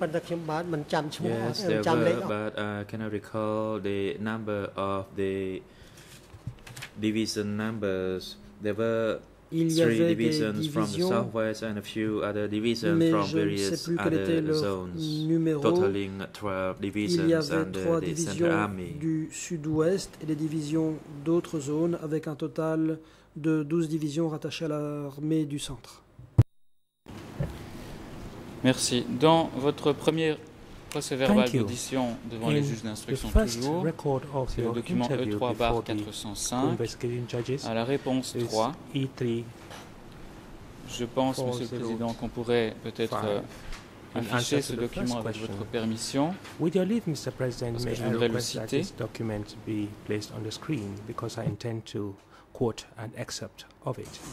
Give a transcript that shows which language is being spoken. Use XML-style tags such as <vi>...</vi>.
<en>Yes, there were, but I cannot recall the number of the division numbers. There were three divisions from the southwest and a few other divisions from various other zones,</en> <fr>numéro.</fr> <en>Totaling 12 divisions under the Central Army.</en> <fr>Du sud-ouest et des divisions d'autres zones avec un total de 12 divisions rattachées à l'armée du centre. Merci. Dans votre premier procès-verbal d'audition devant</fr> <en>in</en> <fr>les juges d'instruction toujours, c'est le document E3-405, à la réponse 3, Je pense, Monsieur le Président, qu'on pourrait peut-être afficher ce document avec votre permission.</fr> <en>With your leave, Mr. President, may I request that this document be placed on the screen because I intend to quote an excerpt of it.</en>